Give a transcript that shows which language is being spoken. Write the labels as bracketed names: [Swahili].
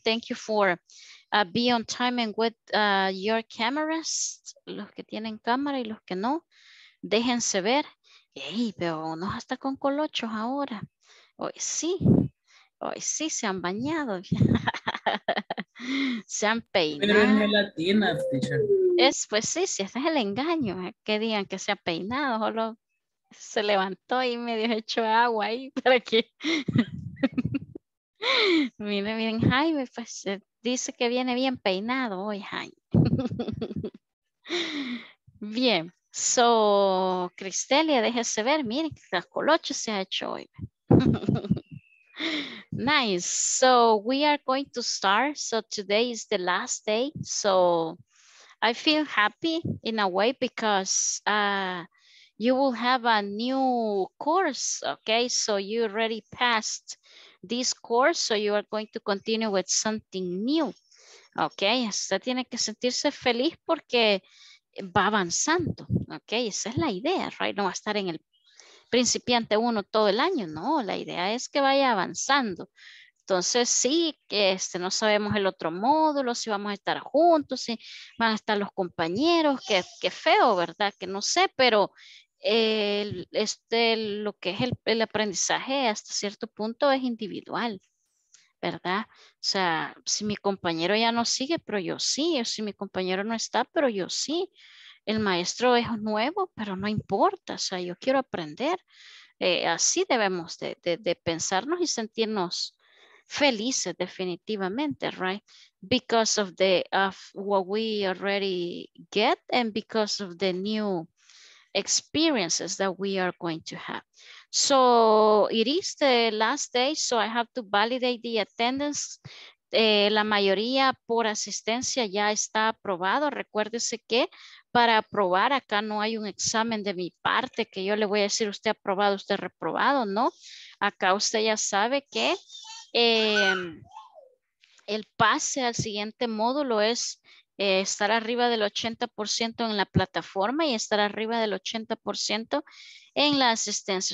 [English] Thank you for be on time and with your cameras. [Spanish] Los que tienen cámara y los que no, déjense ver. Hey, pero uno hasta con colochos ahora. Hoy sí se han bañado. Se han peinado. Pero es latina, teacher. Es, pues sí, sí, ese es el engaño. Que digan que se ha peinado. Solo se levantó y medio echó agua ahí para que. Miren, miren, Jaime, pues dice que viene bien peinado hoy, Jaime. Bien. So, Cristelia, déjese ver. Miren, que las colochas se ha hecho hoy. [English] Nice. So we are going to start. So today is the last day. So I feel happy in a way because you will have a new course. Okay. So you already passed this course. So you are going to continue with something new. Okay. [Spanish] Usted tiene que sentirse feliz porque va avanzando. Okay. Esa es la idea, right? No va a estar en el principiante uno todo el año, no, la idea es que vaya avanzando. Entonces sí, este, no sabemos el otro módulo, si vamos a estar juntos, si van a estar los compañeros, qué feo, ¿verdad? Que no sé, pero lo que es el aprendizaje hasta cierto punto es individual, ¿verdad? O sea, si mi compañero ya no sigue, pero yo sí, o si mi compañero no está, pero yo sí. El maestro es nuevo, pero no importa, o sea, yo quiero aprender. Así debemos de pensarnos y sentirnos felices definitivamente, right? [English] Because of the of what we already get and because of the new experiences that we are going to have. So it is the last day, so I have to validate the attendance. [Spanish] La mayoría por asistencia ya está aprobado. Recuérdese que para aprobar acá no hay un examen de mi parte que yo le voy a decir usted aprobado, usted reprobado, ¿no? Acá usted ya sabe que el pase al siguiente módulo es estar arriba del 80% en la plataforma y estar arriba del 80% en la asistencia.